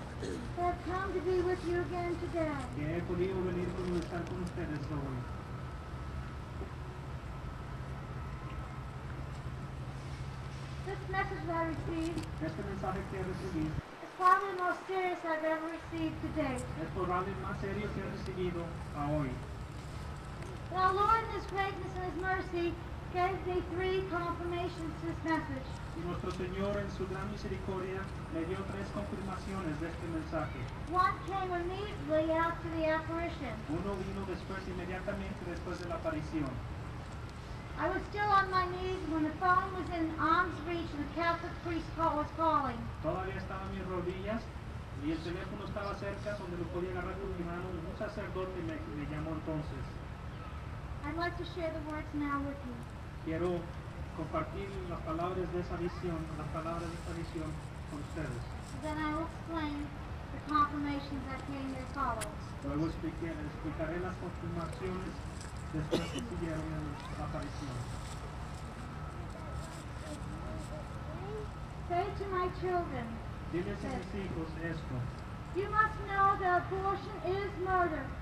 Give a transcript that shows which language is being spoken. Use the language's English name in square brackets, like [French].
[English] I have come to be with you again today. [Spanish] Que he podido venir con estar con ustedes hoy. [English] This message that I received. [Spanish] Este mensaje que he recibido. [English] Is probably the most serious I've ever received today. [Spanish] Es probable más serio que he recibido a hoy. [English] But our Lord, in His greatness and His mercy, gave me 3 confirmations to this message. [Spanish] Y nuestro Señor en su gran misericordia me dio 3 confirmaciones de este mensaje. [English] One came immediately after the apparition. [Spanish] Uno vino después, inmediatamente después de la aparición. [English] I was still on my knees when the phone was in arm's reach and the Catholic priest was calling. [Spanish] Todavía estaba en mis rodillas y el teléfono estaba cerca donde lo podía agarrar con mi mano. Un sacerdote me llamó entonces. [English] I'd like to share the words now with you. [Spanish] Quiero compartir las palabras de esa visión, las palabras de esta visión con ustedes. [English] Then I will explain the confirmations that came as follows. [Spanish] Luego explicaré las confirmaciones después que siguieron en la aparición. [English] Say to my children. [Spanish] Diles a mis hijos esto. [English] You must know that abortion is murder.